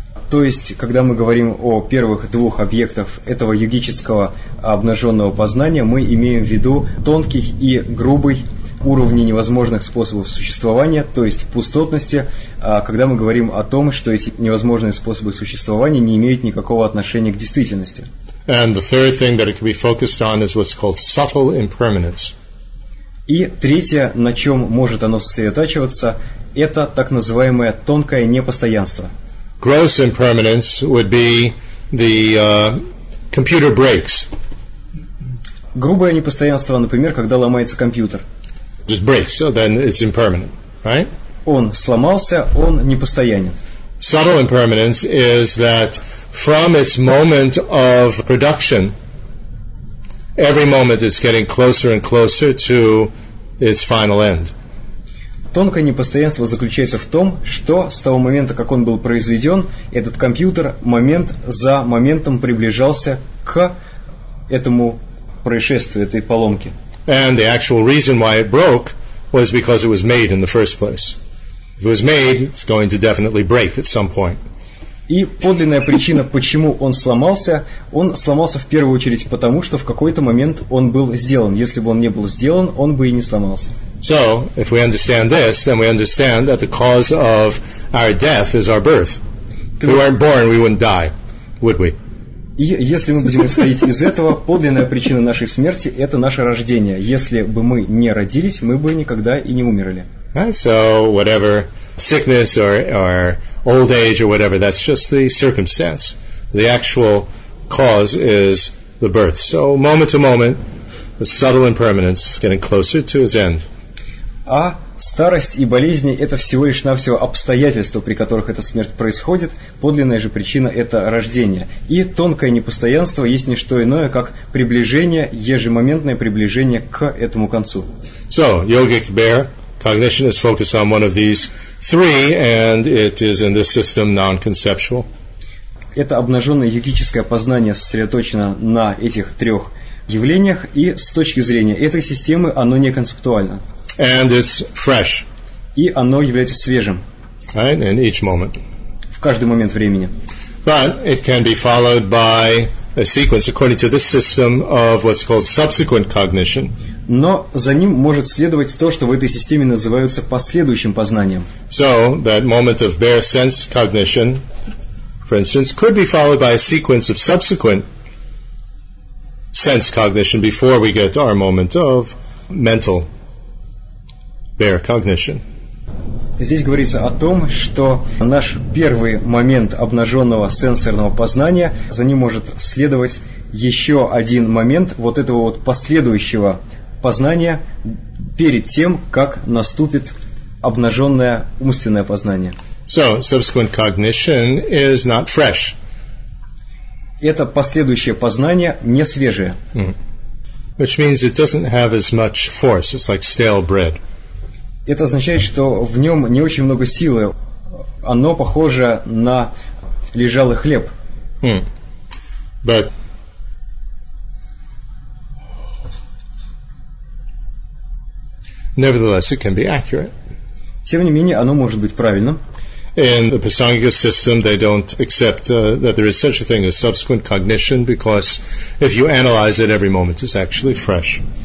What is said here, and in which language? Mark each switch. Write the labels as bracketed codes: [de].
[ru] То есть, когда мы говорим о первых двух объектах этого йогического обнаженного познания, мы имеем в виду тонких и грубых уровней невозможных способов существования, то есть пустотности, когда мы говорим о том, что эти невозможные способы существования не имеют никакого отношения к действительности. [en] And the third thing that it can be focused on is what's called subtle impermanence. [ru] И третье, на чем может оно сосредотачиваться, это так называемое тонкое непостоянство. [en] Gross impermanence would be the computer breaks. [ru] Грубое непостоянство, например, когда ломается компьютер. [en] It breaks, so then it's impermanent, right? [ru] Он сломался, он непостоянен. [en] Subtle impermanence is that from its moment of production, every moment it's getting closer and closer to its final end. [ru] Тонкое непостоянство заключается в том, что с того момента, как он был произведен, этот компьютер момент за моментом приближался к этому происшествию, этой поломке. [en] And the actual reason why it broke was because it was made in the first place. If it was made, it's going to definitely break at some point. [ru] И подлинная причина, почему он сломался в первую очередь потому, что в какой-то момент он был сделан. Если бы он не был сделан, он бы и не сломался. [en] So, if we understand this, then we understand that the cause of our death is our birth. If we weren't born, we wouldn't die, would we? [ru] И если мы будем исходить из этого, подлинная причина нашей смерти – это наше рождение. Если бы мы не родились, мы бы никогда и не умерли. [en] Right, so whatever sickness or old age or whatever, that's just the circumstance. The actual cause is the birth. So moment to moment, the subtle impermanence is getting closer to its end. [ru] А старость и болезни – это всего лишь навсего обстоятельства, при которых эта смерть происходит. Подлинная же причина – это рождение. И тонкое непостоянство есть не что иное, как приближение, ежемоментное приближение к этому концу. [en] So, yogic bear, cognition is focused on one of these three, and it is in this system non-conceptual. [ru] Это обнаженное йогическое познание сосредоточено на этих трех явлениях, и с точки зрения этой системы оно не концептуально. [en] And it's fresh. [ru] И оно является свежим. [en] Right? In each moment. [ru] В каждый момент времени. [en] But it can be followed by a sequence according to this system of what's called subsequent cognition. [ru] Но за ним может следовать то, что в этой системе называется последующим познанием. [en] So that moment of bare sense cognition, for instance, could be followed by a sequence of subsequent sense cognition before we get to our moment of mental bare cognition. [ru] Здесь говорится о том, что наш первый момент обнаженного сенсорного познания, за ним может следовать еще один момент вот этого вот последующего познания перед тем, как наступит обнаженное умственное познание. [en] So, subsequent cognition is not fresh. [ru] Это последующее познание не свежее. Mm. [en] Which means it doesn't have as much force. It's like stale bread. [ru] Это означает, что в нем не очень много силы. Оно похоже на лежалый хлеб. [en] Hmm. But nevertheless, it can be accurate. [ru] Тем не менее, оно может быть правильным. [en] In the Pasangika system, they don't accept that there is such a thing as subsequent cognition, because if you analyze it, every moment is actually fresh.